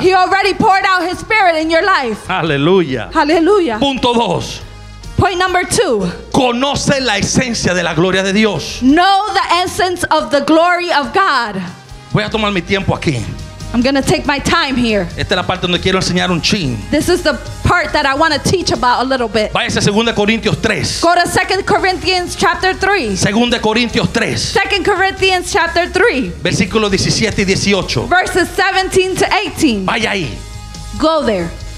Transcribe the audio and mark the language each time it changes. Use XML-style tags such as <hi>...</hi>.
<en>He already poured out his Spirit in your life.</en> <es>Aleluya. Aleluya. Punto dos.</es> <en>Point number two.</en> <es>Conoce la esencia de la gloria de Dios.</es> <en>Know the essence of the glory of God.</en> <es>Voy a tomar mi tiempo aquí.</es> <en>I'm going to take my time here.</en> <es>Esta es la parte donde quiero enseñar un chin.</es> <en>This is the part that I want to teach about a little bit.</en> <es>Váyase a 2 Corintios 3.</es> <en>Go to 2 Corinthians chapter 3.</en> <es>2 Corintios 3.</es> <en>2 Corinthians chapter 3.</en> <es>Versículos 17 y 18.</es> <en>Verses 17 to 18.</en> <es>Vaya ahí.</es> <en>Go there.</en>